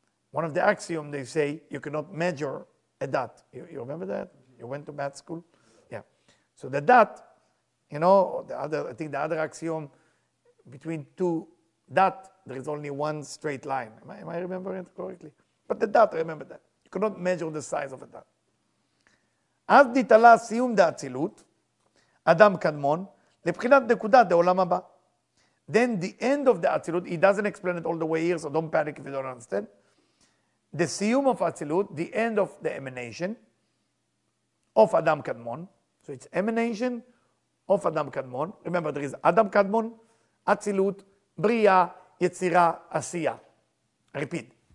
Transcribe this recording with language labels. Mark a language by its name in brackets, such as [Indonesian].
[English] One of the axioms, they say, you cannot measure a dot. You remember that? You went to math school? Yeah. So the dot, you know, the other axiom, between two dot, there is only one straight line. Am I remembering it correctly? But the dot, remember that. You cannot measure the size of a dot. [Hebrew] אז נתעלה סיום דאצילות, אדם קדמון, לבחינת נקודה דעולם הבא. [English] Then the end of the Atzilut, he doesn't explain it all the way here, so don't panic if you don't understand. The Siyum of Atzilut, the end of the emanation of Adam Kadmon. So it's emanation of Adam Kadmon. Remember, there is Adam Kadmon, Atzilut, Bria, Yetzira, Asiya. Repeat.